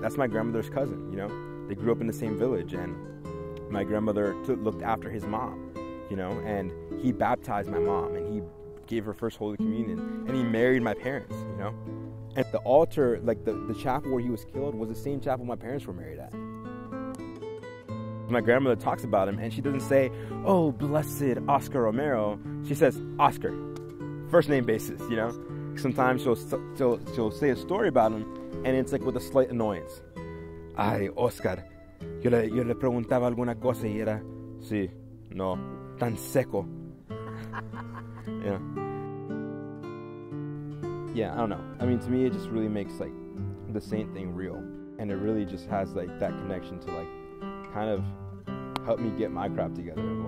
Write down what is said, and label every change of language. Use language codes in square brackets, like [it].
[en] That's my grandmother's cousin, They grew up in the same village, and my grandmother looked after his mom, and he baptized my mom, and he gave her first Holy Communion, and he married my parents, And the altar, the chapel where he was killed was the same chapel my parents were married at. My grandmother talks about him, and she doesn't say, oh, blessed Oscar Romero. She says, Oscar, first name basis, Sometimes she'll say a story about him, and it's with a slight annoyance. [es] Ay, Oscar, yo le preguntaba alguna cosa y era, sí, no, tan seco. [en] Yeah, I don't know. I mean, to me, it just really makes, the saint thing real. And it really just has, that connection to, kind of help me get my crap together.